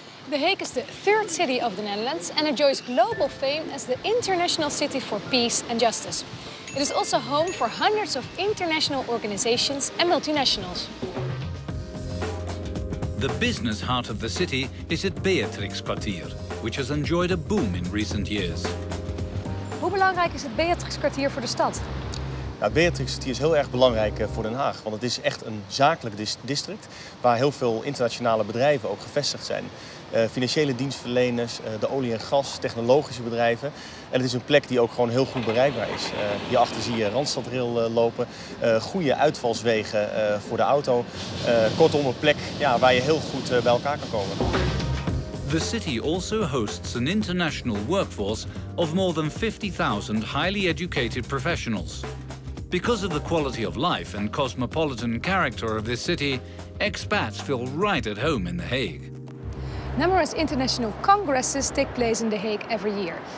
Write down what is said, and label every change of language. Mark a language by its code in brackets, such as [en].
[en] The Hague is the third city of the Netherlands and enjoys global fame as the international city for peace and justice. It is also home for hundreds of international organizations and multinationals. The business heart of the city is at Beatrixkwartier, which has enjoyed a boom in recent years. [nl] Hoe belangrijk is het Beatrixkwartier voor de stad? Nou, Beatrix City is heel erg belangrijk voor Den Haag, want het is echt een zakelijk district waar heel veel internationale bedrijven ook gevestigd zijn. Financiële dienstverleners, de olie en gas, technologische bedrijven. En het is een plek die ook gewoon heel goed bereikbaar is. Hierachter zie je Randstadrail lopen, goede uitvalswegen voor de auto. Kortom, een plek waar je heel goed bij elkaar kan komen. [en] The city also hosts an international workforce of more than 50,000 highly educated professionals. Because of the quality of life and cosmopolitan character of this city, expats feel right at home in The Hague. Numerous international congresses take place in The Hague every year.